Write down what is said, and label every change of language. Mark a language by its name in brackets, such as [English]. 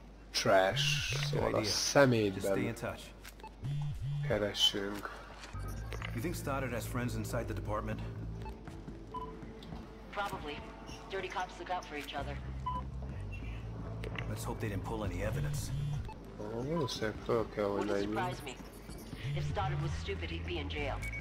[Hungarian] Trash, szóval a szemétben keresünk. [English] You think Stoddard has friends inside the department? Probably. Dirty cops look out for each other. Let's hope they didn't pull any evidence. [Hungarian] Valószínűleg fel kell, hogy legyünk. [English] If Stoddard was stupid, he'd be in jail.